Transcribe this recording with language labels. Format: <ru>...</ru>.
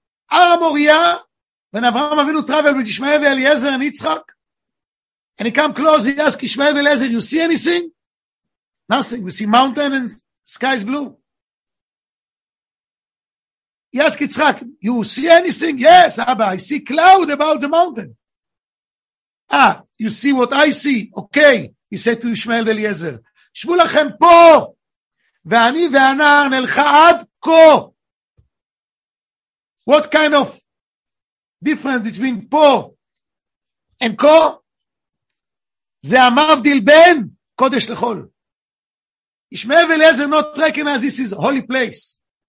<en>הר המוריה, when Avraham Avinu travel with Ishmael and Eliezer and Yitzchak, and he come close, he ask Ishmael and Eliezer, you see anything? Nothing. We see mountain and sky is blue. He ask Yitzchak, you see anything? Yes, Abba, I see cloud about the mountain. Ah, you see what I see? Okay, he said to Ishmael and Eliezer,</en> <he>שבו לכם פה, ואני והנער נלך עד כה.</he> <en>What kind of difference between פה and כה?</en> <he>זה המבדיל בין קודש לחול.</he> <en>ישמעאל ואליעזר not recognize this is a holy place.</en>